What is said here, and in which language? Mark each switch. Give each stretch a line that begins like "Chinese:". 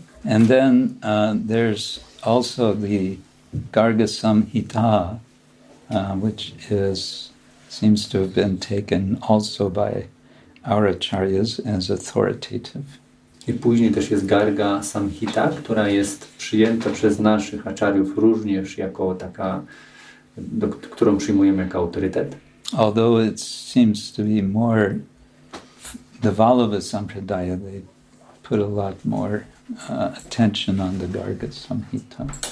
English: And then there's also the Garga Samhita, which is seems to have been taken also by our acharyas as authoritative.
Polish: I później też jest Garga Samhita, która jest przyjęta przez naszych acharyów również jako taka, którą przyjmujemy jako autorytet.
English: Although it seems to be more the Vallabha Sampradaya, they put a lot more attention on the Garga Samhita.